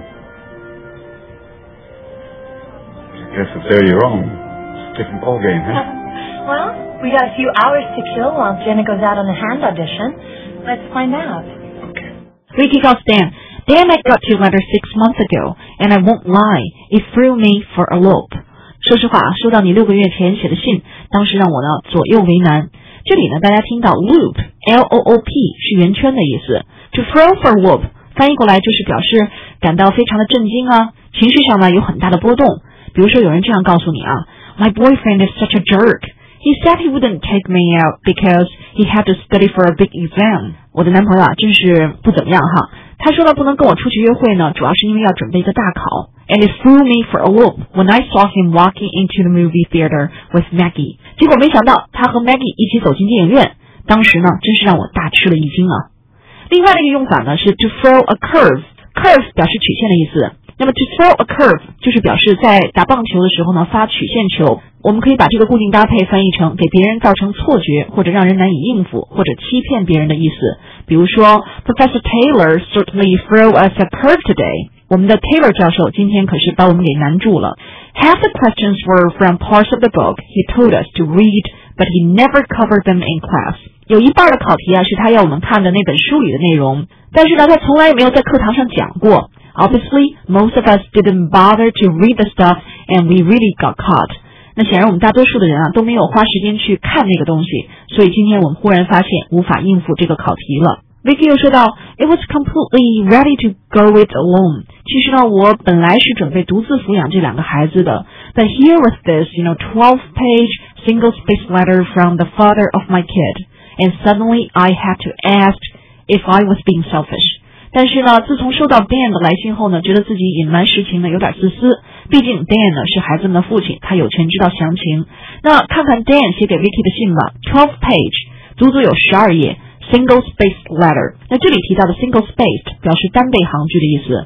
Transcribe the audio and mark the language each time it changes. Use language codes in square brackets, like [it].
[en] I guess if they're your own, it's a different ballgame, huh? We got a few hours to kill while Jenna goes out on a hand audition. Let's find out. Okay. Vicky calls Dan. Dan, I got your letter 6 months ago, and I won't lie. It threw me for a loop. [zh] 说实话，收到你六个月前写的信，当时让我呢左右为难。这里呢，大家听到 loop, L-O-O-P 是圆圈的意思。 [en] To throw for a loop [zh] 翻译过来就是表示感到非常的震惊啊，情绪上呢有很大的波动。比如说有人这样告诉你啊 ， [en] My boyfriend is such a jerk. He said he wouldn't take me out because he had to study for a big exam. [zh] 我的男朋友啊，真是不怎么样哈。他说了不能跟我出去约会呢，主要是因为要准备一个大考。 [en] And it threw me for a loop when I saw him walking into the movie theater with Maggie. [zh] 结果没想到他和 Maggie 一起走进电影院，当时呢，真是让我大吃了一惊啊。另外的一个用法呢，是 [en] to throw a curve. [zh] Curve 表示曲线的意思。那么 [en] to throw a curve [zh] 就是表示在打棒球的时候呢发曲线球，我们可以把这个固定搭配翻译成给别人造成错觉或者让人难以应付或者欺骗别人的意思。比如说 [en] Professor Taylor certainly threw us a curve today. [zh] 我们的 Taylor 教授今天可是把我们给难住了。 [en] Half the questions were from parts of the book he told us to read, but he never covered them in class. [zh] 有一半的考题啊是他要我们看的那本书里的内容，但是呢他从来也没有在课堂上讲过。 [en] Obviously, most of us didn't bother to read the stuff, and we really got caught. [zh] 那显然我们大多数的人啊都没有花时间去看那个东西，所以今天我们忽然发现无法应付这个考题了。 [en] Vicky [zh] 又说到 [en] ，It was completely ready to go it alone. [zh] 其实呢，我本来是准备独自抚养这两个孩子的。 [en] But here was this, you know, 12-page single-spaced letter from the father of my kid, and suddenly I had to ask if I was being selfish. [zh] 但是呢，自从收到 Dan 的来信后呢，觉得自己隐瞒实情呢有点自私。毕竟 Dan 呢是孩子们的父亲，他有权知道详情。那看看 Dan 写给 Vicky 的信吧 ，12 page， 足足有12页 ， [en] single spaced letter。 [zh] 那这里提到的 single spaced 表示单倍行距的意思。